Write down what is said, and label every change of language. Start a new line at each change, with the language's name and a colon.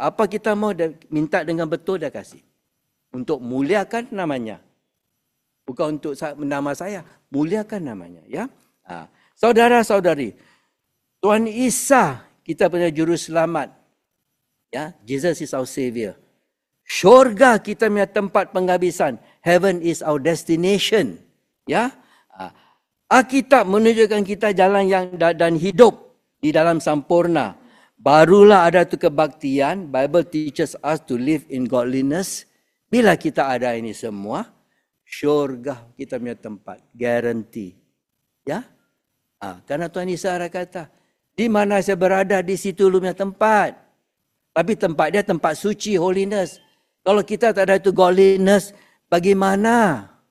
Malay: Apa kita mau, dia minta dengan betul, dia kasih. Untuk muliakan namanya. Bukan untuk nama saya. Muliakan namanya. Ya, saudara-saudari. Tuhan Isa, kita punya juru selamat. Ya,
English: Jesus is our savior.
Malay: Syurga kita punya tempat penghabisan.
English: Heaven is our destination.
Malay: Ya. Alkitab menunjukkan kita jalan yang dan hidup di dalam sempurna. Barulah ada tu kebaktian.
English: Bible teaches us to live in godliness.
Malay: Bila kita ada ini semua, syurga kita punya tempat. Guarantee. Ya? Karena Tuhan Yesus ada kata, di mana saya berada, di situ lu punya tempat. Tapi tempat dia tempat suci, holiness. Kalau kita tak ada itu godliness, bagaimana?